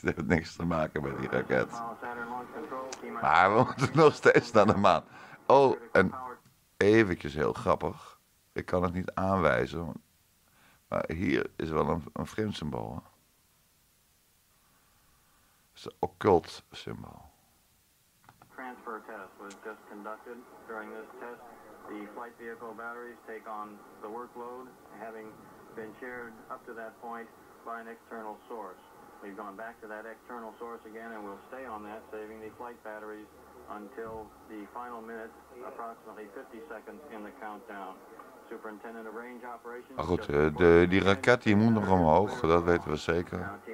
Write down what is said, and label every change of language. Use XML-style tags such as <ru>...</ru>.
<nl>Dit heeft niks te maken met die raket. Maar we moeten nog steeds naar de maan. Oh, en eventjes heel grappig. Ik kan het niet aanwijzen. Maar hier is wel een vreemd symbool. Het is een occult symbool.</nl> <en>Transfer test was just conducted. During this test, the flight vehicle batteries take on the workload, having been shared up to that point by an external source. We've gone back to that external source again, and we'll stay on that, saving the flight batteries until the final minute, approximately 50 seconds in the countdown. Superintendent of Range Operations.</en> <nl>Ah, goed, die raket die moet nog omhoog, dat weten we zeker.</nl>